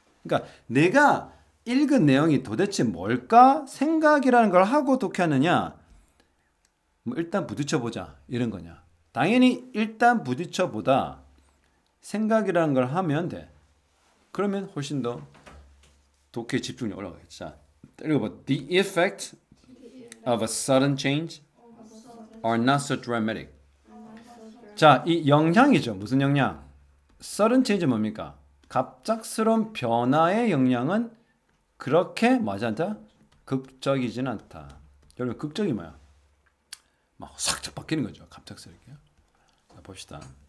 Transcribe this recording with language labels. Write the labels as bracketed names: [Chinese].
[Korean] 그러니까 내가 읽은 내용이 도대체 뭘까? 생각이라는 걸 하고 독해하느냐? 뭐 일단 부딪혀보자 이런 거냐? 당연히 일단 부딪혀보다 생각이라는 걸 하면 돼. 그러면 훨씬 더 독해 집중이 올라가겠지. 자, 읽어봐. [English] The effect of a sudden change are not so dramatic. [Korean] 자, 이 영향이죠. 무슨 영향? Sudden change 뭡니까? 갑작스러운 변화의 영향은 그렇게 맞지 않다? 극적이진 않다. 여러분 극적이 뭐야? 막 싹싹 바뀌는 거죠. 갑작스럽게. 자, 봅시다.